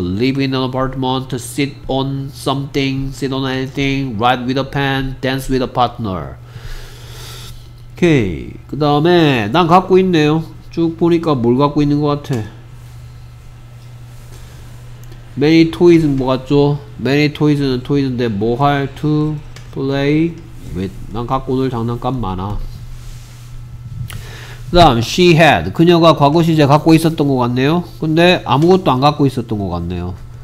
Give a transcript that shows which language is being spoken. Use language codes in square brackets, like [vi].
[en] Live in an apartment, sit on something, sit on anything, write with a pen, dance with a partner. [ko] 오케이. 그 다음에 난 갖고 있네요. 쭉 보니까 뭘 갖고 있는 것 같아. [en] Many toys [ko] 는 뭐 같죠? [en] Many toys [ko] 는 toys인데 뭐 할 [en] to play with. [ko] 난 갖고 놀 장난감 많아. 그 다음 [en] she had. [ko] 그녀가 과거 시제 갖고 있었던 것 같네요. 근데 아무것도 안 갖고 있었던 것 같네요.